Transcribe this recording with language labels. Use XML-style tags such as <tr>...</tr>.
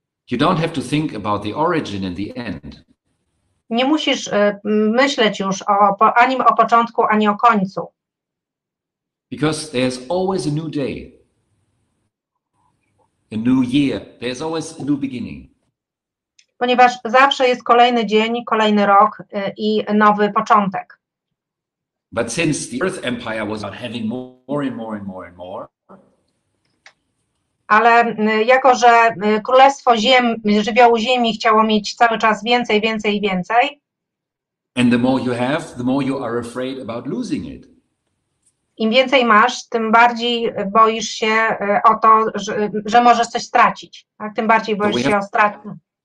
<en>You don't have to think about the origin and the end.</en> <pl>Nie musisz myśleć już ani o początku, ani o końcu.</pl> <en>Because there's always a new day, a new year, there's always a new beginning.</en> <pl>Ponieważ zawsze jest kolejny dzień, kolejny rok i nowy początek.</pl> <en>But since the Earth Empire was about having more and more.</en> <pl>Ale jako, że Królestwo Żywiołu Ziemi chciało mieć cały czas więcej.</pl> <en>And the more you have, the more you are afraid about losing it.</en> <pl>Im więcej masz, tym bardziej boisz się o to, że możesz coś stracić. Tak? Tym bardziej boisz się o stratę.</pl>